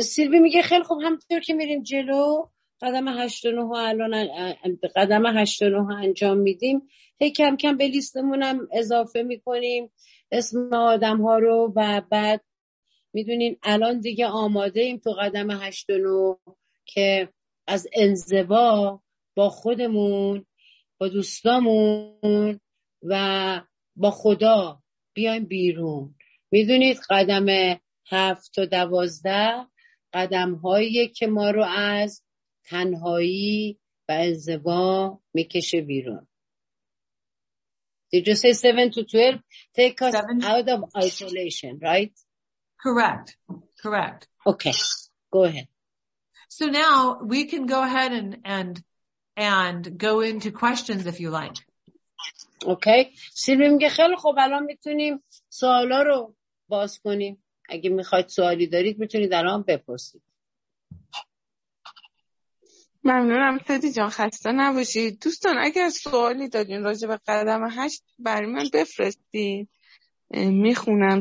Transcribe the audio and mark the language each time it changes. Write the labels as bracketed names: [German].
[Persian] Silvi میگه خیلی خوب، همطور که میریم جلو قدم 89 الان قدم 89 انجام میدیم، هی کم کم به لیستمون هم اضافه میکنیم اسم آدم ها رو و بعد میدونین الان دیگه آماده ایم تو قدم 89 که از انزوا با خودمون با دوستامون و با خدا بیایم بیرون. میدونید قدم 7 تا 12 قدم هایی که ما رو از تنهایی و انزوا میکشه بیرون. [English] Did you say 7 to 12 take us out of isolation, right? Correct. Okay. Go ahead. So now we can go ahead and go into questions if you like. Okay. [Persian] سیلوی میگه خیلی خوب، الان میتونیم سوالا رو باز کنیم. اگه میخواید سوالی دارید میتونید الان بپرسید. ممنونم تدی جان، خسته نباشی. دوستان اگر سوالی دارین راجع به قدم 8 برای من بفرستین، میخونم.